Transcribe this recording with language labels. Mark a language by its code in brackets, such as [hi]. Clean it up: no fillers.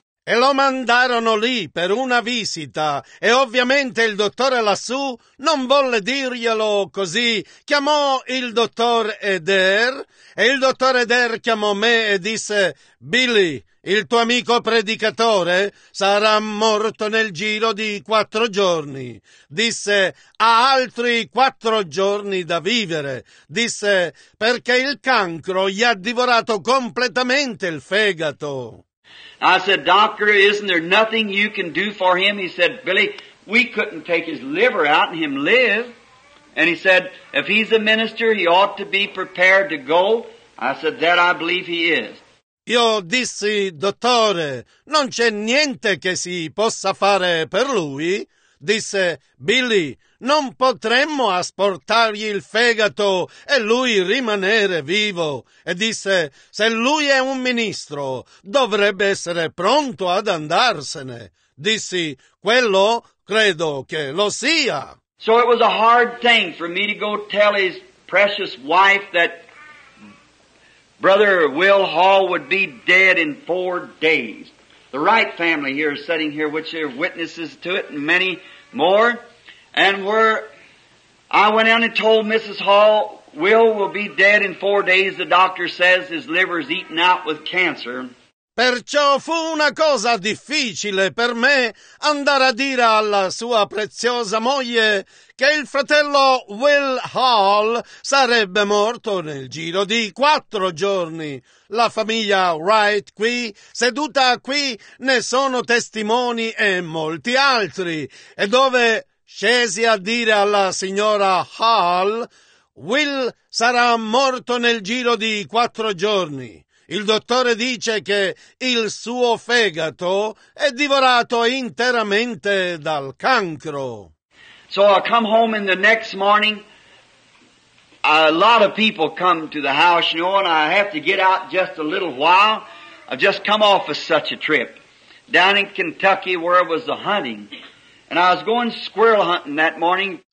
[it] E lo mandarono lì per una visita e ovviamente il dottore lassù non volle dirglielo così. Chiamò il dottor Adair e il dottor Adair chiamò me e disse «Billy, il tuo amico predicatore sarà morto nel giro di 4 giorni». Disse «Ha altri 4 giorni da vivere». Disse «Perché il cancro gli ha divorato completamente il fegato». [en] I said, Doctor, isn't there nothing you can do for him? He said, Billy, we couldn't take his liver out and him live. And he said, if he's a minister, he ought to be prepared to go. I said, that I believe he is. [it] Io dissi, dottore, non c'è niente che si possa fare per lui. Disse, Billy, non potremmo asportargli il fegato e lui rimanere vivo. E disse, se lui è un ministro, dovrebbe essere pronto ad andarsene. Dissi, quello credo che lo sia. [en] So it was a hard thing for me to go tell his precious wife that Brother Will Hall would be dead in 4 days. The Wright family here is sitting here, which are witnesses to it, and many more. And where I went out and told Mrs. Hall, Will will be dead in 4 days, the doctor says his liver's eaten out with cancer. [it] Perciò fu una cosa difficile per me andare a dire alla sua preziosa moglie che il fratello Will Hall sarebbe morto nel giro di 4 giorni. La famiglia Wright qui, seduta qui, ne sono testimoni e molti altri. E dove scesi a dire alla signora Hall, Will sarà morto nel giro di 4 giorni. Il dottore dice che il suo fegato è divorato interamente dal cancro. [en] So I come home in the next morning. A lot of people come to the house, you know, and I have to get out just a little while. I've just come off of such a trip down in Kentucky where I was hunting. And I was going squirrel hunting that morning.